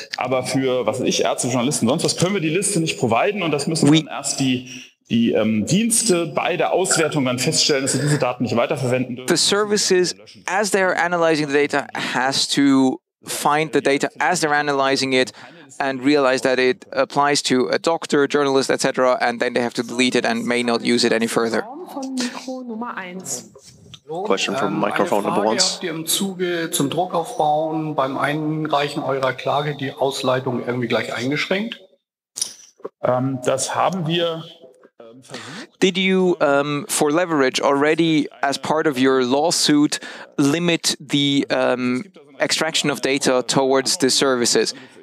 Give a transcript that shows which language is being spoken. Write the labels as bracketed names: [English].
[German] Aber für was weiß ich, Ärzte, Journalisten, sonst was können wir die Liste nicht providen und das müssen dann erst die Dienste bei der Auswertung dann feststellen, dass sie diese Daten nicht weiterverwenden dürfen. [English] The services, as they are analyzing the data, has to find the data as they're analyzing it and realize that it applies to a doctor, journalist, etc. And then they have to delete it and may not use it any further. Question from microphone [German] Frage, [English] number one. [German] Habt ihr im Zuge zum Druckaufbauen beim Einreichen eurer Klage die Ausleitung irgendwie gleich eingeschränkt? Das haben wir. [English] Did you, for leverage, already as part of your lawsuit, limit the extraction of data towards the services?